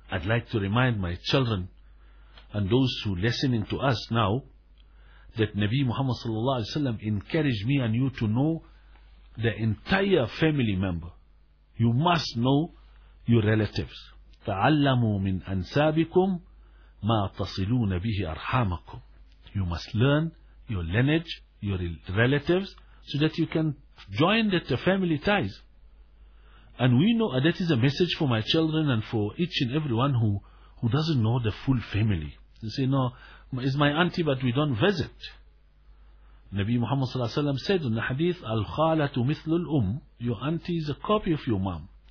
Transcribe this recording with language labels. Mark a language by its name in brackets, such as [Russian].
[English] I'd like to remind my children and those who listening to us now that Nabi Muhammad sallallahu alaihi wasallam encouraged me and you to know the entire family member. You must know your relatives. [Arabic] تعلموا من أنسابكم ما تصلون به أرحامكم. [English] You must learn your lineage, your relatives, so that you can join the family ties. And we know that is a message for my children and for each and everyone who doesn't know the full family. You say, no, it's my auntie, but we don't visit. Nabi Muhammad sallallahu alaihi wasallam said in the hadith, [Arabic] Al-khalatu mithlu al-um, [English] your auntie is a copy of your mom.